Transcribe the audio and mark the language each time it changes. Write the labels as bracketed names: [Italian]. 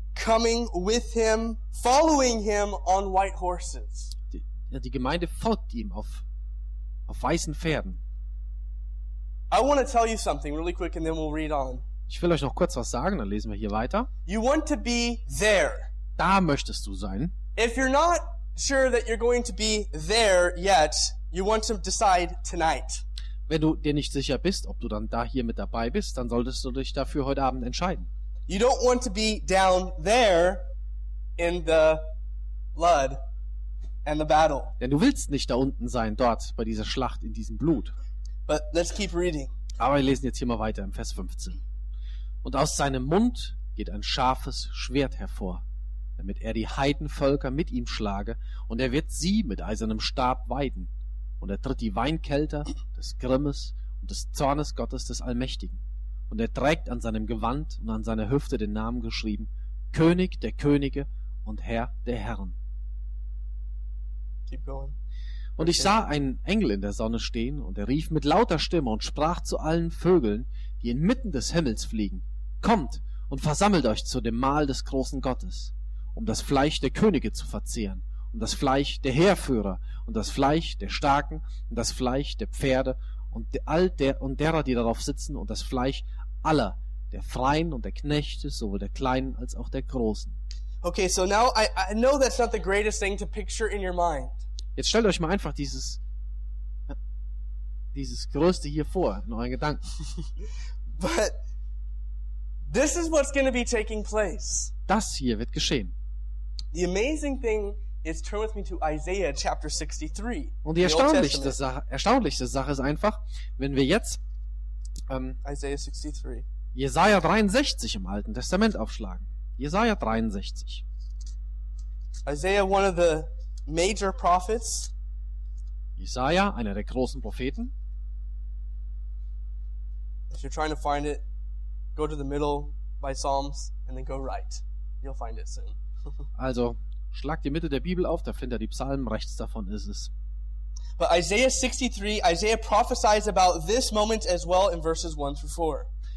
[English] Coming with him, following him on white horses. [German] Die Gemeinde folgt ihm auf weißen Pferden. [English] I want to tell you something really quick and then we'll read on. [German] Ich will euch noch kurz was sagen, dann lesen wir hier weiter. [English] You want to be there. [German] Da möchtest du sein. [English] If you're not sure that you're going to be there yet, you want to decide tonight. [German] Wenn du dir nicht sicher bist, ob du dann da hier mit dabei bist, dann solltest du dich dafür heute Abend entscheiden. [English] You don't want to be down there in the blood and the battle. [German] Denn du willst nicht da unten sein, dort bei dieser Schlacht in diesem Blut. [English] But let's keep reading. [German] Aber wir lesen jetzt hier mal weiter im Vers 15. Und aus seinem Mund geht ein scharfes Schwert hervor, damit er die Heidenvölker mit ihm schlage, und er wird sie mit eisernem Stab weiden. Und er tritt die Weinkelter des Grimmes und des Zornes Gottes des Allmächtigen. Und er trägt an seinem Gewand und an seiner Hüfte den Namen geschrieben, König der Könige und Herr der Herren. [English] Keep going. [German] Und ich sah einen Engel in der Sonne stehen, und er rief mit lauter Stimme und sprach zu allen Vögeln, die inmitten des Himmels fliegen, kommt und versammelt euch zu dem Mahl des großen Gottes, um das Fleisch der Könige zu verzehren, und das Fleisch der Heerführer, und das Fleisch der Starken, und das Fleisch der Pferde, und all der und derer, die darauf sitzen, und das Fleisch aller, der Freien und der Knechte, sowohl der Kleinen als auch der Großen. [English] Okay, so now I know that's not the greatest thing to picture in your mind. [German] Jetzt stellt euch mal einfach dieses Größte hier vor, in euren Gedanken. [English] But this is what's going to be taking place. [German] Das hier wird geschehen. [English] The amazing thing is, turn with me to Isaiah chapter 63. [German] Und die erstaunlichste Sache ist einfach, wenn wir jetzt [English] Isaiah 63. [German] Jesaja 63 im Alten Testament aufschlagen. Jesaja 63. [English] Isaiah, one of the major prophets. [German] Jesaja, einer der großen Propheten. [English] If you're trying to find it, go to the middle by Psalms and then go right. You'll find it soon. [German] Also, schlag die Mitte der Bibel auf, da findet ihr die Psalmen, rechts davon ist es. [English] But Isaiah 63, Isaiah prophesies about this moment as well in verses 1 through 4.